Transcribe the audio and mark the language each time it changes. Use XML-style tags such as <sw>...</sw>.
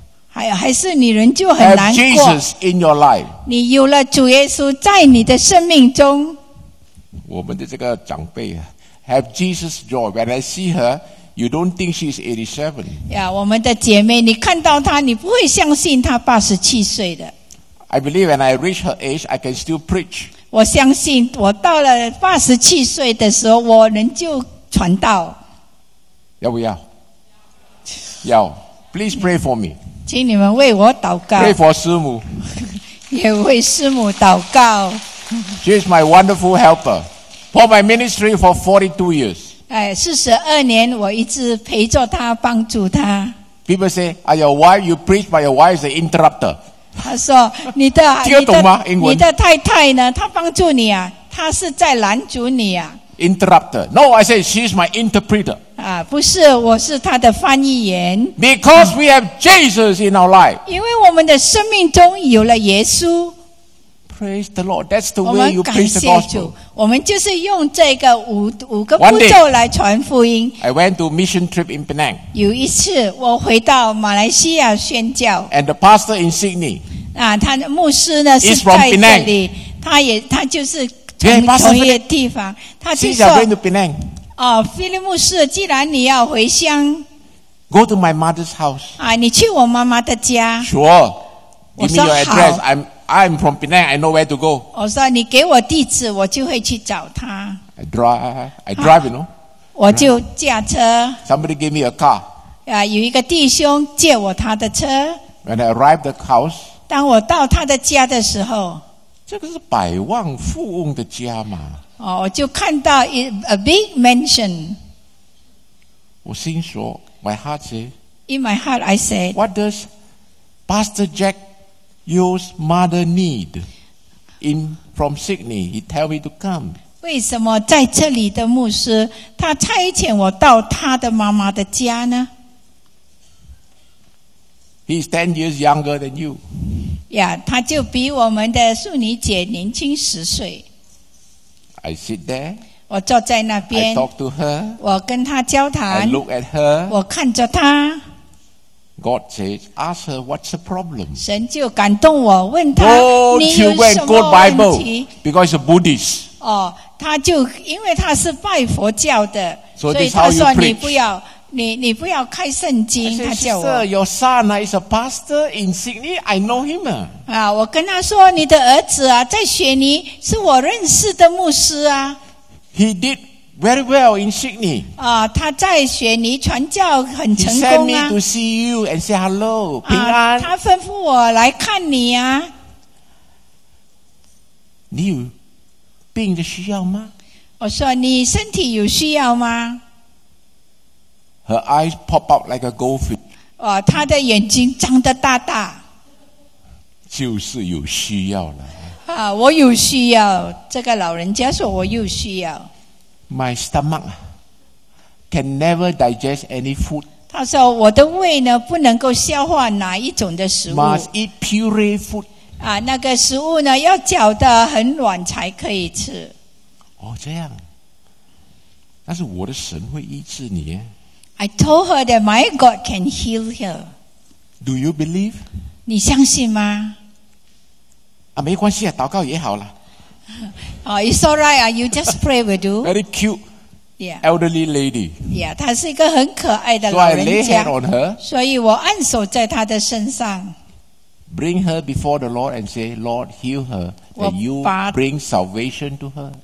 <zh>还是你人就很难过？</zh> <en>Have Jesus in your life.</en> <zh>你有了主耶稣在你的生命中。我们的这个长辈啊，</zh> <en>have Jesus joy. When I see her,You don't think she's 87.</en> <zh>Yeah, 我们的姐妹，你看到她，你不会相信她87岁的。</zh> <en>I believe when I reach her age, I can still preach.</en> <zh>我相信我到了87岁的时候，我仍旧传道。要不要？要。</zh> <en>Please pray for me.</en> <zh>请你们为我祷告。</zh> <en>Pray for 师母。</en> <zh>也为师母祷告。</zh> <en>She's my wonderful helper. For my ministry for 42 years.</en> <zh>42年我一直陪着他帮助他。</zh> <en>People say, are your wife, you preach, but your wife is an interrupter.</en> <zh>他说你的听得懂吗英文你的太太呢她帮助你啊她是在拦阻你啊。</zh> <en>Interrupter. No, I say, she's my interpreter.</en> <zh>啊不是我是她的翻译员。</zh> <en>Because we have Jesus in our life.</en> <zh>因为我们的生命中有了耶稣。</zh> <en>Praise the Lord. That's the way you preach the gospel.</en> <zh>我们就是用这个五个步骤来传福音。</zh> <en>One day, I went to a mission trip in Penang.</en> <zh>有一次我回到马来西亚宣教。</zh> <en>And the pastor in Sydney.</en> <zh>啊，他的牧师呢是在这里，他就是从一个地方，他就说。</zh> <en>Since I went to Penang.</en> <zh>哦，菲利牧师，既然你要回乡。</zh> <en>Go to my mother's house.</en> <zh>啊，你去我妈妈的家。</zh> <en>Sure. Give me your address. I'm from Penang, I know where to go.</en> <zh>我说你给我地址我就会去找他。</zh> <en>I drive, you know.</en> <zh>我就驾车。</zh> <en>Somebody gave me a car.</en> <zh>有一个弟兄借我他的车。</zh> <en>When I arrived at the house,</en> <zh>当我到他的家的时候。这个是百万富翁的家嘛。我就看到</zh> <en>a big mansion.</en> <zh>我心说</zh> <en>my heart said, In my heart, I said, What does Pastor Jack Your mother need in from Sydney. He tell me to come.</en> <zh>为什么在这里的牧师他差遣我到他的妈妈的家呢？</zh> <en>He's 10 years younger than you. Yeah,</en> <zh>他就比我们的素妮姐年轻十岁。</zh> <en>I sit there.</en> <zh>我坐在那边。</zh> <en>I talk to her.</en> <zh>我跟她交谈。</zh> <en>I look at her.</en> <zh>我看着她。</zh> <en>God says, ask her what's the problem.</en> <zh>神就感动我问他你有什么问题</zh> <en>Because he's a Buddhist.</en> <zh>哦他就因为他是拜佛教的。</zh> <en>So、</en> <zh>所以他说你不要你不要开圣经</zh> <en>said,</en> <zh>他叫我。</zh> <en>Sir, your son is a pastor in Sydney, I know him.</en> <zh>我跟他说你的儿子啊在雪梨是我认识的牧师啊。</zh> <en>He did. Very well in Sydney.</en> <zh>啊，他在雪梨传教很成功啊。</zh> <en>He sent me to see you and say hello,</en> <zh>平安。他吩咐我来看你啊。你有病的需要吗？我说你身体有需要吗</zh> <en>？Her eyes pop out like a goldfish.</en> <zh>哦，他的眼睛张得大大。就是有需要了。啊，我有需要。这个老人家说，我有需要。 My stomach get can never digest any food. 他说我的胃呢不能够消化哪一种的食物。 Must eat pure food. 啊，那个食物呢要搅得很软才可以吃。哦，这样。但是我的神会医治你。</zh> <en>I told her that my God can heal her. Do you believe?</en> <zh>你相信吗？啊，没关系啊，祷告也好了。</zh> <en>Oh, it's all right. You just pray will do. Very cute. Yeah. Elderly lady.</en> <zh>Yeah, 她是一个很可爱的老人家。</zh> <en>So I lay hand on her.</en> <zh>所以我按手在她的身上。</zh> <en>Bring her before the Lord and say, Lord, heal her. That you bring salvation to her.</en>